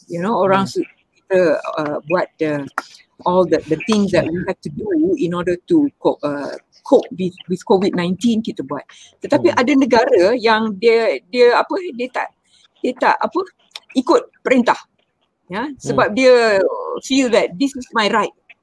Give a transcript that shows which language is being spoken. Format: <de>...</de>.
<ms>Orang suruh kita buat</ms> <en>all the things that we have to do in order to cope with COVID-19,</en> <ms>kita buat. Tetapi ada negara yang dia tak ikut perintah. Sebab dia</ms> <en>feel that this is my right.</en>